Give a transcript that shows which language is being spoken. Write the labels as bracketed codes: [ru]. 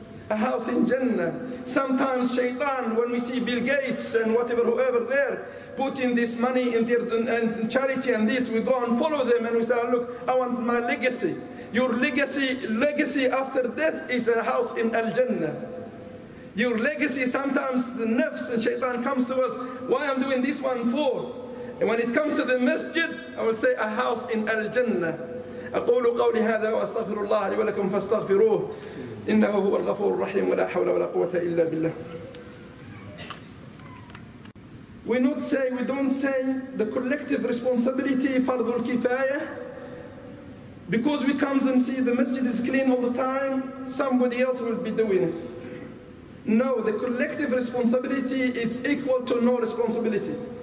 [en] A house in Jannah. Sometimes Shaytan, when we see Bill Gates and whatever, whoever there, putting this money in their and charity and this, we go and follow them and we say, look, I want my legacy. Your legacy after death is a house in Al-Jannah. Your legacy, sometimes the nafs and Shaytan comes to us, why I'm doing this one for? And when it comes to the masjid, I will say a house in Al-Jannah. [ar] أقول قولي هذا وأستغفر الله لي ولكم فاستغفروه إنه هو الغفور الرحيم ولا حول ولا قوة إلا بالله. [en] We don't say the collective responsibility [ar] فرض الكفاية, [en] because we come and see the masjid is clean all the time, somebody else will be doing it. No, the collective responsibility is equal to no responsibility.